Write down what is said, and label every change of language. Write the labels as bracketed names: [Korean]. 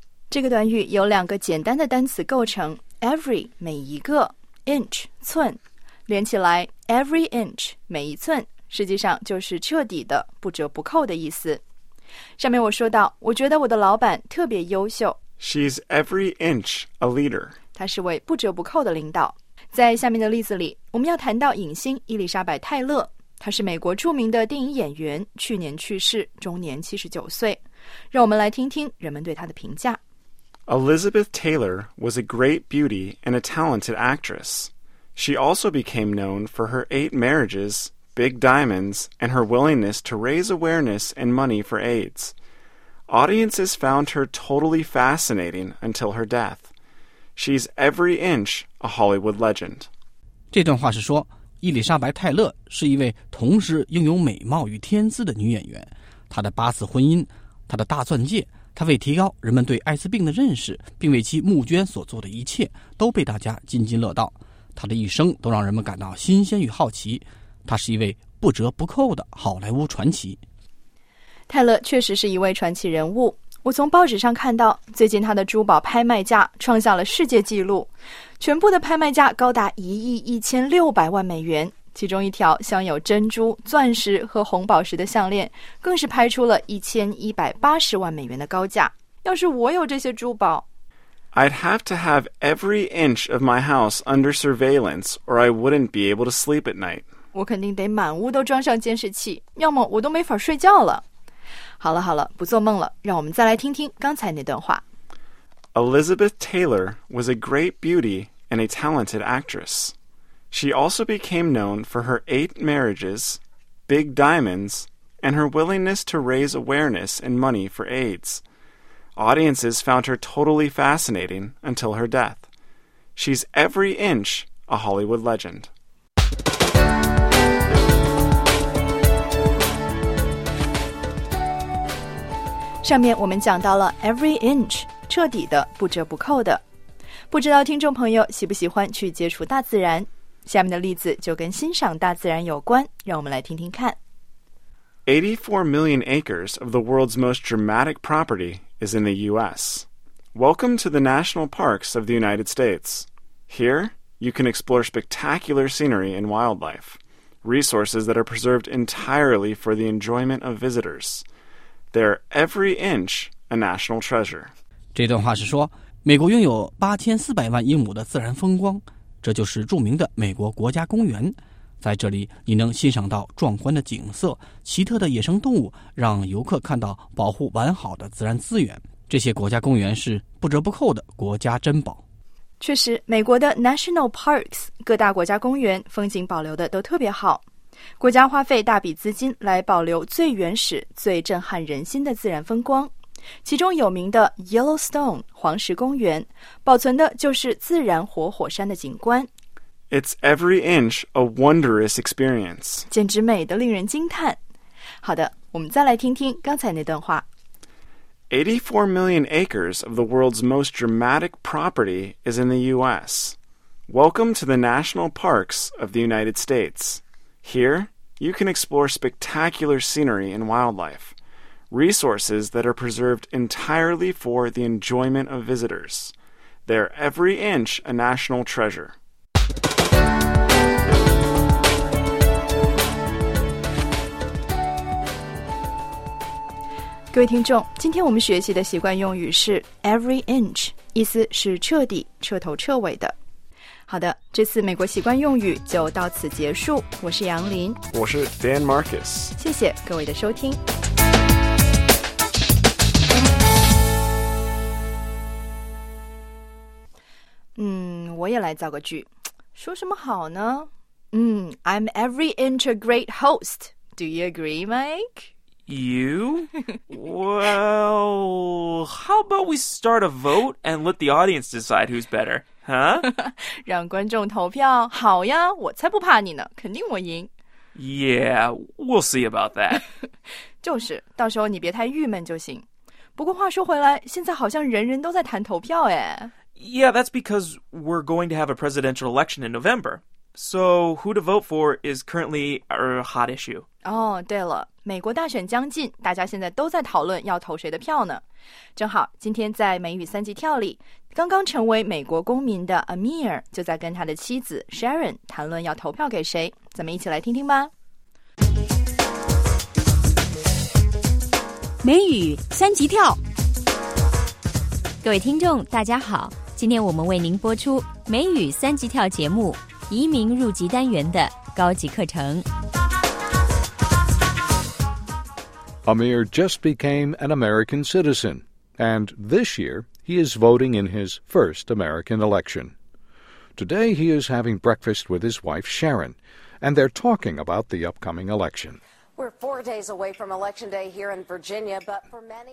[Chinese] 这个短语由两个简单的单词构成。Every, 每一个 inch, 寸连起来 every inch, 每一寸实际上就是彻底的不折不扣的意思。上面我说到我觉得我的老板特别优秀。 [English] She's every inch a leader. [Chinese] 她是位不折不扣的领导。在下面的例子里我们要谈到影星伊丽莎白泰勒。她是美国著名的电影演员去年去世终年79岁。让我们来听听人们对她的评价。 [English] Elizabeth Taylor was a great beauty and a talented actress. She also became known for her 8 marriages, big diamonds, and her willingness to raise awareness and money for AIDS. Audiences found her totally fascinating until her death. She's every inch a Hollywood legend. [Chinese] 这段话是说，伊丽莎白·泰勒是一位同时拥有美貌与天资的女演员。她的8次婚姻，她的大钻戒。他为提高人们对艾滋病的认识并为其募捐所做的一切都被大家津津乐道。他的一生都让人们感到新鲜与好奇。他是一位不折不扣的好莱坞传奇。泰勒确实是一位传奇人物。我从报纸上看到，最近他的珠宝拍卖价创下了世界纪录，全部的拍卖价高达1亿1600万美元。其中一条镶有珍珠、钻石和红宝石的项链，更是拍出了1180万美元的高价。要是我有这些珠宝 [English] ，I'd have to have every inch of my house under surveillance, or I wouldn't be able to sleep at night. [Chinese] 我肯定得满屋都装上监视器，要么我都没法睡觉了。好了好了，不做梦了，让我们再来听听刚才那段话。 [English] Elizabeth Taylor was a great beauty and a talented actress. She also became known for her 8 marriages, big diamonds, and her willingness to raise awareness and money for AIDS. Audiences found her totally fascinating until her death. She's every inch a Hollywood legend. [Chinese] 上面我们讲到了 every inch, 彻底的，不折不扣的。不知道听众朋友喜不喜欢去接触大自然。下面的例子就跟欣赏大自然有关，让我们来听听看。 [English] 84 million acres of the world's most dramatic property is in the U.S. Welcome to the national parks of the United States. Here, you can explore spectacular scenery and wildlife, resources that are preserved entirely for the enjoyment of visitors. They're every inch a national treasure. [Chinese] 这段话是说，美国拥有8400万英亩的自然风光，这就是著名的美国国家公园，在这里你能欣赏到壮观的景色、奇特的野生动物，让游客看到保护完好的自然资源。这些国家公园是不折不扣的国家珍宝。确实，美国的 National Parks 各大国家公园风景保留的都特别好，国家花费大笔资金来保留最原始、最震撼人心的自然风光。其中有名的 Yellowstone 黄石公园保存的就是自然活火山的景观。 [English] It's every inch a wondrous experience. [Chinese] 简直美得令人惊叹。好的，我们再来听听刚才那段话。 [English] 84 million acres of the world's most dramatic property is in the U.S. Welcome to the national parks of the United States. Here, you can explore spectacular scenery and wildlife. Resources that are preserved entirely for the enjoyment of visitors. They're every inch a national treasure. [Chinese] 各位听众，今天我们学习的习惯用语是 every inch, 意思是彻底、彻头彻尾的。好的，这次美国习惯用语就到此结束。我是杨林，我是 Dan Marcus。谢谢各位的收听。我也来造个句，说什么好呢？ [English] I'm every inch a great host. Do you agree, Mike? You? Well, how about we start a vote and let the audience decide who's better, huh? [Chinese] 让观众投票，好呀，我才不怕你呢，肯定我赢。 [English] Yeah, we'll see about that. [Chinese] 就是，到时候你别太郁闷就行。不过话说回来，现在好像人人都在谈投票耶。 [English] Yeah, that's because we're going to have a presidential election in November. So, who to vote for is currently our hot issue. [Chinese] Oh, 对了，美国大选将近，大家现在都在讨论要投谁的票呢。正好，今天在美语三级跳里，刚刚成为美国公民的 Amir 就在跟他的妻子 Sharon 谈论要投票给谁。咱们一起来听听吧。美语三级跳。各位听众大家好，今天我们为您播出美语三级跳节目移民入籍单元的高级课程。 [English] Amir just became an American citizen, and this year he is voting in his first American election. Today he is having breakfast with his wife Sharon, and they're talking about the upcoming election. We're 4 days away from election day here in Virginia, but for many...